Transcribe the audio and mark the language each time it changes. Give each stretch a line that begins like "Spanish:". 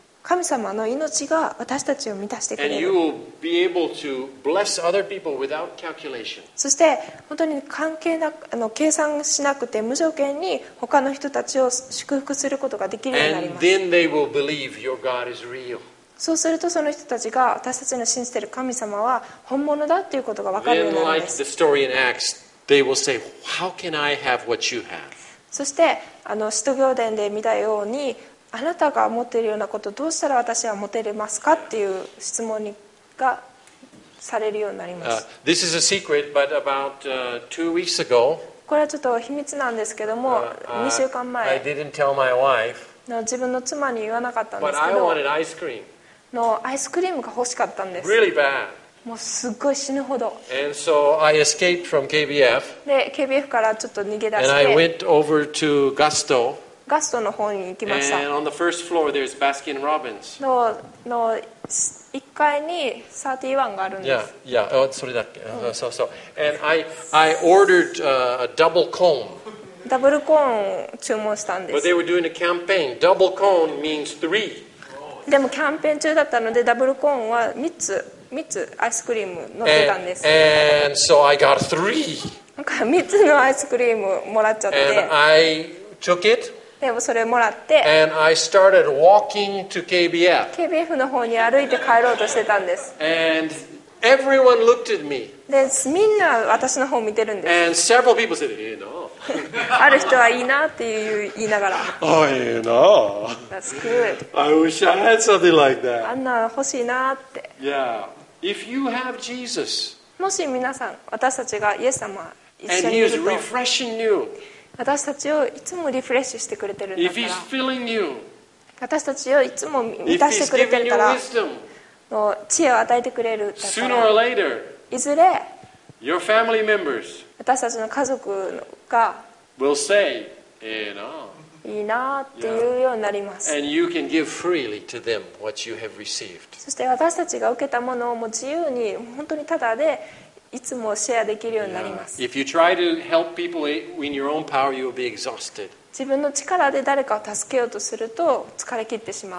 Japanese: 神様の命が私たちを満たしてくれる。
English: And you will be able to bless other people without calculation.
Japanese: そして本当に関係なく、計算しなくて無条件に他の人たちを祝福することができるようになります。
English: And then they will believe your God is real.
Japanese: そうするとその人たちが私たちの信じている神様は本物だということが分かるようになります。
English: Then like the story in Acts, they will say, "How can I have what you have?"
Japanese: そして使徒行伝で見たように、あなたが持っているようなことどうしたら私は持てれますかっていう質問にがされるようになります。
English: This is a secret, but about two weeks ago,
Japanese: これはちょっと秘密なんですけども、2週間前、
English: I didn't tell my wife,
Japanese: の自分の妻に言わなかったんですけど、
English: but I wanted ice cream.
Japanese: のアイスクリームが欲しかったんです。
English: Really bad.
Japanese: もうすっごい死ぬほど。
English: And so I escaped from KBF.
Japanese: で、KBF からちょっと逃げ出して、
English: and I went over to Gusto.
Japanese: ガストの方に行きました。
English: And on the first floor, there's Baskin Robbins.
Japanese: の1階に31があるんです。それだっけ。そうそう。
English: And I ordered a double cone.
Japanese: ダブルコーンを注文したんです。
English: But they were doing a campaign. Double cone means three.
Japanese: でもキャンペーン中だったのでダブルコーンは3つアイスクリーム乗ってたんです。
English: And so I got three.
Japanese: なんか三つのアイスクリームもらっちゃって。
English: And I took it.
Japanese: でもそれもらって。
English: And I started walking to KBF.
Japanese: KBF の方に歩いて帰ろうとしてたんです。
English: And everyone looked at me.
Japanese: でみんな私の方見てるんです。
English: And several people said, you know.
Japanese: ある人はいいなって言いながら。あ、oh, いいな。
English: That's good. I wish I had something like that.
Japanese: あんな欲しいなって。
English: Yeah. If you have Jesus.
Japanese: もし皆さん私たちがイエス様一緒にいると。
English: And he is refreshing you.
Japanese: 私たちをいつもリフレッシュしてくれてるんだから。
English: If he's filling you.
Japanese: 私たちをいつも満たしてくれてるから。
English: If he's giving you wisdom.
Japanese: の知恵を与えてくれるだから。
English: Sooner or later.
Japanese: いずれ。
English: Your family members.
Japanese: 私たちの家族が
English: will say, you know,
Japanese: いいなっていうようになります。
English: And you can give freely to them what you have received.
Japanese: そして私たちが受けたものをもう自由に本当にただでいつもシェアできるようになります。
English: If you try to help people in your own power, you will be exhausted.
Japanese: 自分の力で誰かを助けようとすると疲れ切ってしまう。